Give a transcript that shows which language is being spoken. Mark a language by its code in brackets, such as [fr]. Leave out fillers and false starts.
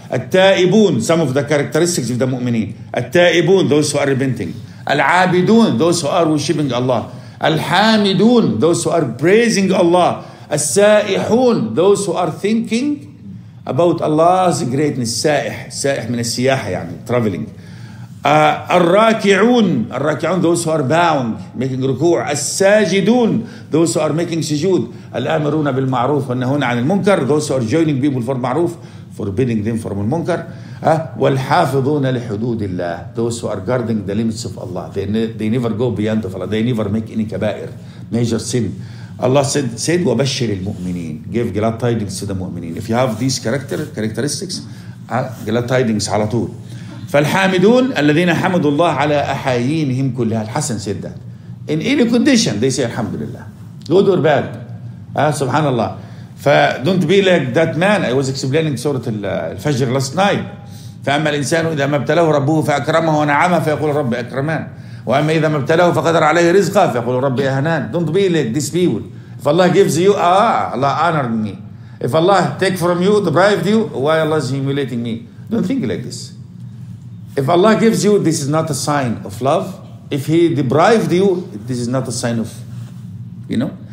[en] التائبون, some of the characteristics of the مؤمنين. التائبون, those who are repenting. العابدون, those who are worshipping Allah. الحامدون, those who are praising Allah. السائحون, those who are thinking about Allah's greatness. [ar] السائح, السائح من السياحة يعني traveling. [en] الراكعون, الراكعون those who are bound making ركوع. الساجدون, those who are making سجود. [ar] الآمرون بالمعروف والنهون عن المنكر, [en] those who are joining people for معروف forbidding them from المنكر. والحافظون لحدود الله, those who are guarding the limits of Allah, they never go beyond of Allah, they never make any [ar] كبائر [en] major sin. Allah said [ar] وبشر المؤمنين, [en] give glad tidings to the مؤمنين. If you have these characteristics, glad tidings [ar] على طول. فالحامدون الذين حمدوا الله على أحايينهم كلها. [en] الحسن said that in any condition they say الحمد لله good or bad. سبحان الله. ف don't be like that man I was explaining سورة الفجر last night. [ar] فأما الإنسان إذا ما ابتلاه ربه فأكرمه ونعمه فيقول ربي أكرمان, وأما إذا ما ابتلاه فقدر عليه رزقه فيقول ربي أهنان. [en] Don't be like these people. If Allah gives you Allah honored me, if Allah take from you deprived you, why Allah is humiliating me? Don't think like this. If Allah gives you, this is not a sign of love. If He deprived you, this is not a sign of, you know.